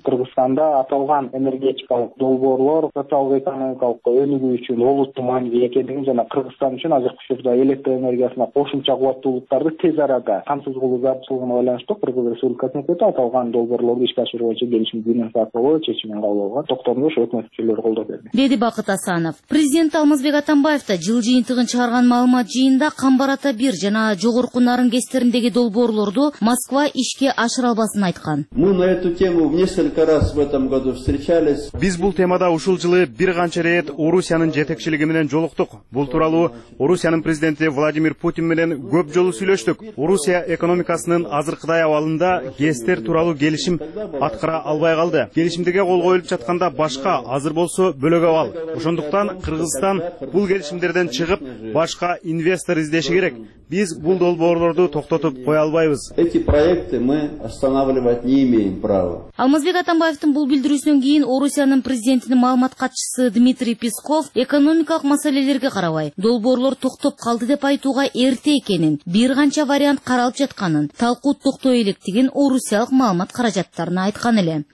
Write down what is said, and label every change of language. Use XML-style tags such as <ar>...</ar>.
<ky>Кыргызстанда аталган энергетикалык долбоорлор социалдык экономикалык өнүгүү үчүн олуттуу маанилүү экендигин жана Кыргызстан үчүн азыркы учурда электр энергиясына кошумча кубаттуулуктарды тез арада камсыз кылуу зарылчылыгын ойлон Кыргыз Республикасынын өкмөтү аталган долбоорлорду ишке ашыруу боюнча келишимди денонсациялоо чечимин кабыл алган токтомду ошол өкмөт мүчөлөрү колдоп берди, деди Бакыт Асанов. Президент Алмазбек Атамбаев да жыл жыйынтыгын чыгарган маалымат жыйында кам барата 1 жана жогорку нарын гестериндеги долбоорлорду Москва ишке ашыра албасын айткан.</ky> <ru>Мы на эту тему несколько раз в этом году встречались.</ru> <ky>Биз бул темада ушул жылы бир канча ирет Орусиянын жетекчилиги менен жолуктук. Бул тууралуу Орусиянын президенти Владимир Путин менен көп жолу сүйлөштүк. Орусия экономикасынын азыр Кытай абалында гестер тууралуу келишим аткара албай калды. Келишимдеге кол коюлуп жатканда башка азыр болсо бөлөк абал. Ошондуктан Кыргызстан бул келишимдерден чыгып башка инвестор издеши керек. Биз бул долбоорлорду токтотуп кое албайбыз.</ky> <ru>Эти проекты мы останавливать не имеем права.</ru> <ky>Алмазбек Атамбаевдин бул билдирүүсүнөн кийин Орусиянын президентинин маалымат катчысы Дмитрий Песков экономикалык маселелерге карабай долбоорлор токтоп калды деп айтууга эрте экенин, бир канча вариант каралып жатканын, талкуу токтой электигин орусиялык маалымат каражаттарына айткан эле.</ky>